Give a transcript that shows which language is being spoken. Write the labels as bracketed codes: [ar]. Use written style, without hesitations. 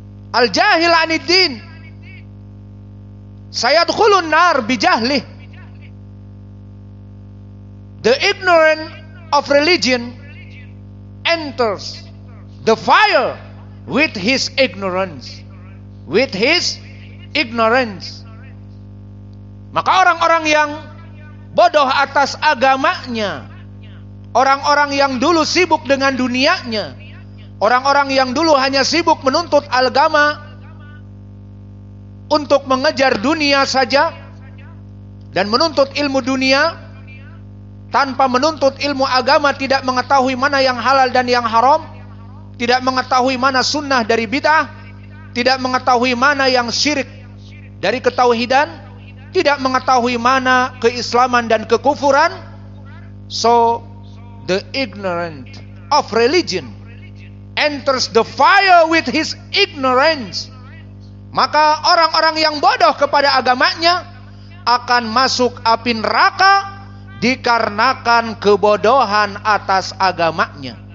[ar] Al-jahil aniddin sayadkhulun nar bijahlih. [en] The ignorant of religion enters the fire with his ignorance. With his ignorance. [id] Maka orang-orang yang bodoh atas agamanya, orang-orang yang dulu sibuk dengan dunianya, orang-orang yang dulu hanya sibuk menuntut agama untuk mengejar dunia saja dan menuntut ilmu dunia tanpa menuntut ilmu agama, tidak mengetahui mana yang halal dan yang haram, tidak mengetahui mana sunnah dari bid'ah, tidak mengetahui mana yang syirik dari ketauhidan, tidak mengetahui mana keislaman dan kekufuran. [en] So the ignorant of religion enters the fire with his ignorance. [id] Maka orang-orang yang bodoh kepada agamanya akan masuk api neraka dikarenakan kebodohan atas agamanya.